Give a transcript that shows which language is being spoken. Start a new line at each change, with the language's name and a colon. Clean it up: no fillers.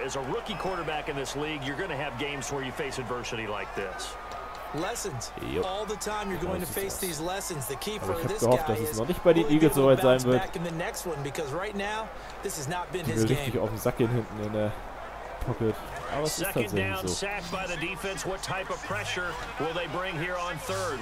English: As a rookie quarterback in this league, you're going to have games where you face adversity like this. Lessons. Yep. All the time you're going to face these lessons. The key for this guy is he's not going to be able to bounce back in the next one because right now this has not been his game.
German: Auf den Sack gehen hinten in der Pocket.
English: Aber second down, so. Sack by the defense. What type of pressure will they bring here on third?